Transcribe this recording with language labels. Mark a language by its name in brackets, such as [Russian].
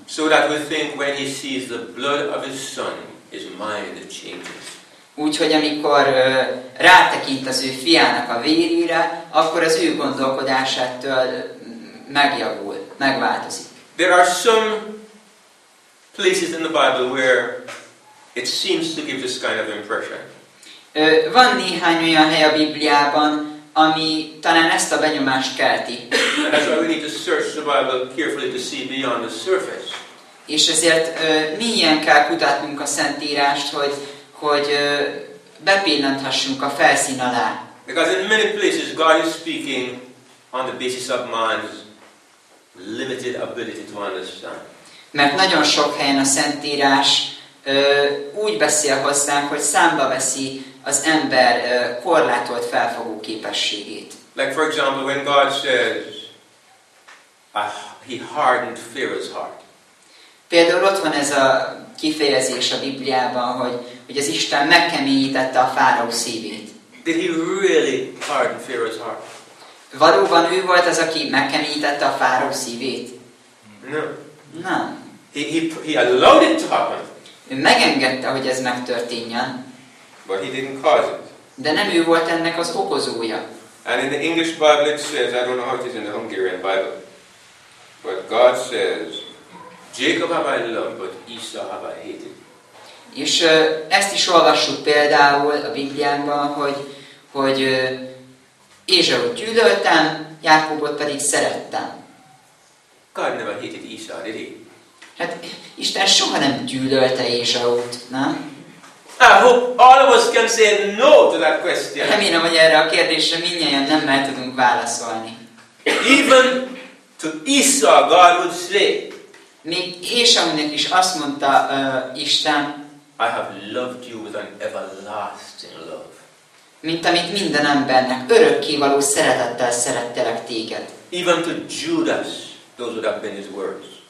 [English] So that we think when he sees the blood of his son, his mind changes. [Hungarian] Úgyhogy amikor rátekint az ő fiának a vérére, akkor az ő gondolkodásától megjavul, megváltozik. [English] There are some places in the Bible where it seems to give this kind of impression. [Hungarian] Van néhány olyan hely a Bibliában, ami talán ezt a benyomást kelti. [English] That's why we need to search the Bible carefully to see beyond the surface. [Hungarian] És ezért milyen kell kutatnunk a Szentírást, hogy bepillanthassunk a felszín alá. [English] Because in many places God is speaking on the basis of man's limited ability to understand. [Hungarian] Mert nagyon sok helyen a Szentírás úgy beszél hozzánk, hogy számba veszi az ember korlátolt felfogó képességét. [English] Like for example, when God says, he hardened Pharaoh's heart. [Hungarian] Például ott van ez a kifejezés a Bibliában, hogy az Isten megkeményítette a fáraó szívét. [English] Did he really harden Pharaoh's heart? [Hungarian] Valóban ő volt az, aki megkeményítette a fáraó szívét? [English] No. [Hungarian] Nem. [English] He allowed it to happen. [Hungarian] Ő megengedte, hogy ez megtörténjen. [English] But he didn't cause it. [Hungarian] De nem ő volt ennek az okozója. [English] And in the English Bible it says, I don't know how it is in the Hungarian Bible, but God says, Jacob have I loved, but Esau have I hated. [Hungarian] És ezt is olvassuk például a Bibliánkban, hogy Ézsaut gyűlöltem, Jákobot pedig szerettem. [English] God never hated Esau, did he? [Hungarian] Hát Isten soha nem gyűlölte Ézsaut, nem? [English] I hope all of us can say no to that question. [Hungarian] Remélem, hogy erre a kérdésre mindnyáján nemmel tudunk válaszolni. [English] Even to Esau, God would say, [Hungarian] még Ésaunak is azt mondta Isten, [English] I have loved you with an everlasting love. [Hungarian] Mint amit minden embernek, örökkévaló szeretettel szerettelek téged. [English] Even to Judas, those would have been his words.